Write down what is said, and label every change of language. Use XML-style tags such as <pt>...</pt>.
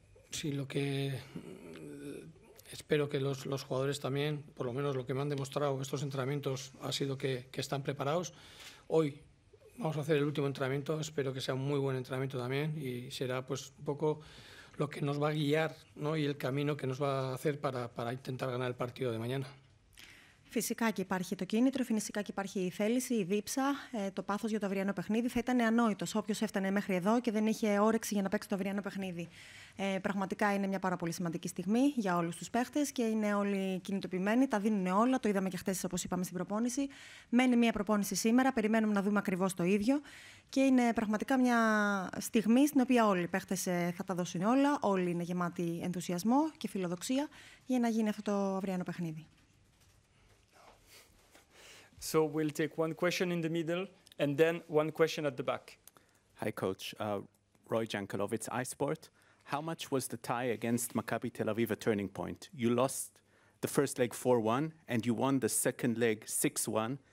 <es>Sí, lo que espero que los jugadores también, por lo menos lo que me han demostrado estos entrenamientos, ha sido que están preparados. Hoy vamos a hacer el último entrenamiento, espero que sea un muy buen entrenamiento también y será pues un poco lo que nos va a guiar, ¿no? Y el camino que nos va a hacer para intentar ganar el partido de mañana.</es> <el>Φυσικά και υπάρχει το κίνητρο, φυσικά και υπάρχει η θέληση, η δίψα, το πάθος για το αυριανό παιχνίδι. Θα ήταν ανόητος όποιος έφτανε μέχρι εδώ και δεν είχε όρεξη για να παίξει το αυριανό παιχνίδι. Πραγματικά είναι μια πάρα πολύ σημαντική στιγμή για όλους τους παίχτες και είναι όλοι κινητοποιημένοι, τα δίνουν όλα. Το είδαμε και χθες, όπως είπαμε, στην προπόνηση. Μένει μια προπόνηση σήμερα, περιμένουμε να δούμε ακριβώς το ίδιο. Και είναι πραγματικά μια στιγμή στην οποία όλοι οι παίχτες θα τα δώσουν όλα, όλοι είναι γεμάτοι ενθουσιασμό και φιλοδοξία για να γίνει αυτό το αυριανό παιχνίδι.</el> <en>So we'll take one question in the middle and then one question at the back. Hi, Coach. Roy Jankelowitz, iSport. How much was the tie against Maccabi Tel Aviv a turning point? You lost the first leg 4-1 and you won the second leg 6-1.</en>